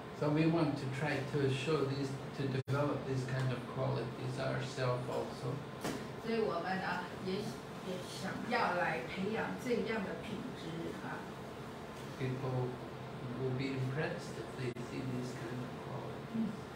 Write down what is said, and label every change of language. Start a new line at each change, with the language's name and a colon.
English: we want to try to show these to develop these kind of qualities ourselves also.
Chinese: 所以我们呢也想要来培养这样的品质啊。
English: People will be impressed if they see these kind of qualities.